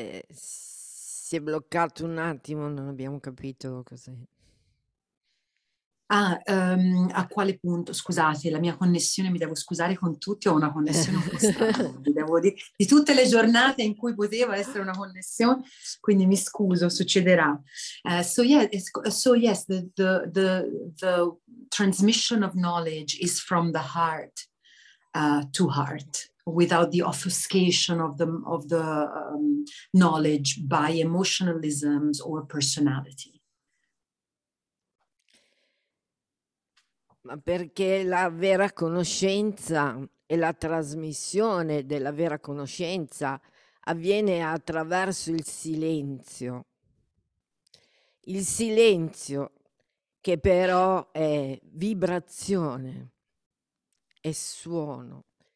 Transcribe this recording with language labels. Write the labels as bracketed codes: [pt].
[it] Si è bloccato un attimo, non abbiamo capito cos'è. A quale punto, scusate, la mia connessione, mi devo scusare con tutti, ho una connessione costante, devo dire, di tutte le giornate in cui poteva essere una connessione, quindi mi scuso, succederà. [en] So yes, the transmission of knowledge is from the heart to heart, without the obfuscation of the knowledge by emotionalisms or personality. [it] Ma perché la vera conoscenza e la trasmissione della vera conoscenza avviene attraverso il silenzio. Il silenzio che però è vibrazione, è suono.